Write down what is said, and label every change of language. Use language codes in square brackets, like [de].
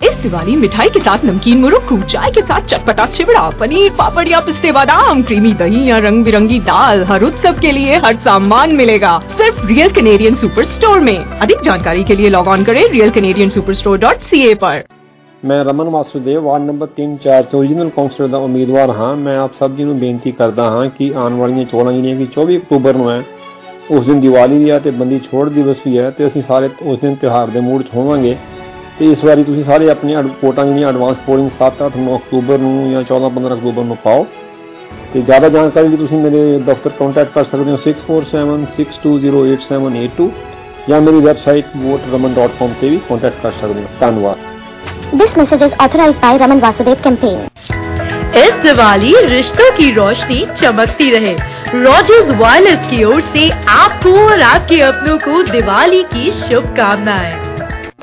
[hi] इस दिवाली मिठाई के साथ नमकीन मुरक्कू चाय के साथ चटपटा चिवड़ा पनीर पापड़ या पिस्ते बादाम क्रीमी दही या रंग बिरंगी दाल हर उत्सव के लिए हर सामान मिलेगा सिर्फ रियल कैनेडियन सुपर स्टोर में अधिक जानकारी के लिए लॉग ऑन करें realcanadiansuperstore.ca पर [pa] मैं रमन वासुदेव वार्ड नंबर 3-4 तो ओरिजिनल काउंसलर का उम्मीदवार हाँ मैं आप सब जी बेनती करता हाँ की आने वाली 24 अक्टूबर न ਉਸ ਦਿਨ ਦੀਵਾਲੀ ਵੀ ਹੈ ਅਤੇ ਬੰਦੀ ਛੋੜ ਦਿਵਸ ਵੀ ਹੈ ਅਤੇ ਅਸੀਂ ਸਾਰੇ ਉਸ ਦਿਨ ਤਿਉਹਾਰ ਦੇ ਮੂਡ 'ਚ ਹੋਵਾਂਗੇ ਅਤੇ ਇਸ ਵਾਰੀ ਤੁਸੀਂ ਸਾਰੇ ਆਪਣੀਆਂ ਵੋਟਾਂ ਜਿਹੜੀਆਂ ਐਡਵਾਂਸ ਪੋਲਿੰਗ 7-8-9 ਅਕਤੂਬਰ ਨੂੰ ਜਾਂ 14-15 ਅਕਤੂਬਰ ਨੂੰ ਪਾਓ ਅਤੇ ਜ਼ਿਆਦਾ ਜਾਣਕਾਰੀ ਵੀ ਤੁਸੀਂ ਮੇਰੇ ਦਫ਼ਤਰ ਕੰਟੈਕਟ ਕਰ ਸਕਦੇ ਹੋ 647-620-8782 [hi] या मेरी वेबसाइट voterraman.com से भी कॉन्टेक्ट कर सकते हैं। धन्यवाद। [en] This message is authorise by Raman Vasudev campaign. [hi] इस दिवाली रिश्तों की रोशनी चमकती रहे, रॉजर्स वायरलेस की ओर से आपको और आपके अपनों को दिवाली की शुभकामनाएं।